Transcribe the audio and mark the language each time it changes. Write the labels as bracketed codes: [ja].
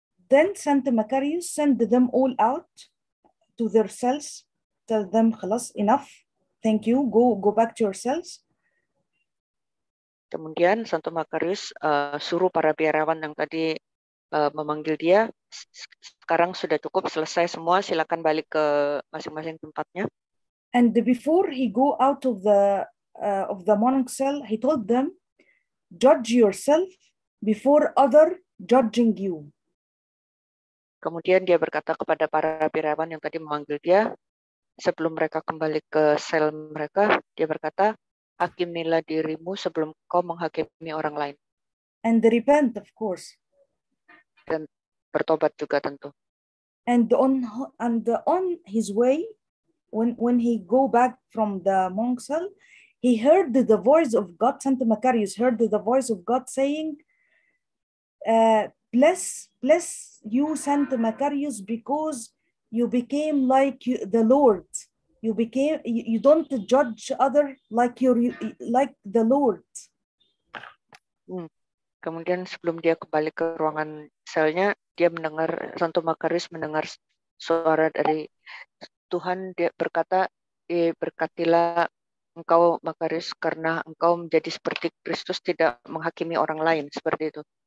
[en] Then Santo Makarius send them all out to their cells, tell them khalas, enough, thank you, go back to your cells. [id] Kemudian Santo Makarius suruh para biarawan yang tadi memanggil dia, sekarang sudah cukup, selesai semua, silakan balik ke masing-masing tempatnya. [en] And before he go out of the monk cell, he told them, judge yourself before other judging you. [id] Kemudian dia berkata kepada para biarawan yang tadi memanggil dia, sebelum mereka kembali ke sel mereka, dia berkata, hakimilah dirimu sebelum kau menghakimi orang lain. [en] And they repent, of course. [id] Dan bertobat juga tentu. [en] And on his way, when he go back from the monk cell, he heard the voice of God. Santo Makarius heard the voice of God saying, bless you, Santo Makarius, because you became like the Lord. You don't judge other like the Lord. [id] Kemudian sebelum dia kembali ke ruangan selnya, dia mendengar Santo Makarius mendengar suara dari Tuhan dia berkata, diberkatilah engkau Makarios karena engkau menjadi seperti Kristus, tidak menghakimi orang lain seperti itu.